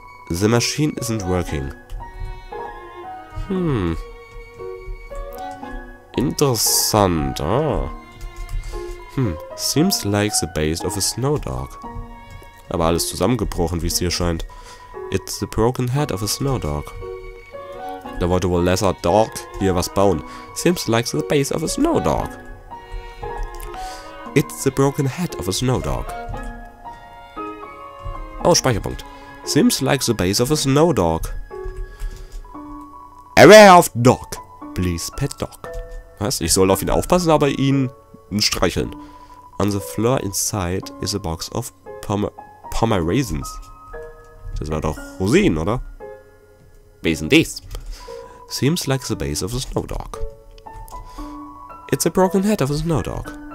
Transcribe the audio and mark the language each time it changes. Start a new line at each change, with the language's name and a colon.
English: The machine isn't working. Hm.
German: Interessant, ah.
English: Hm, seems like the base of a snow dog.
German: Aber alles zusammengebrochen, wie es hier scheint.
English: It's the broken head of a snow dog.
German: Da wollte wohl Lesser Dog hier was bauen.
English: Seems like the base of a snow dog. It's the broken head of a snow dog. Oh, Speicherpunkt. Seems like the base of a snow dog. Aware of dog. Please pet dog. Was?
German: Ich soll auf ihn aufpassen, aber ihn streicheln.
English: On the floor inside is a box of Pomeraisins.
German: Das war doch Rosinen, oder? Wie sind dies?
English: Seems like the base of a snow dog. It's a broken head of a snow dog.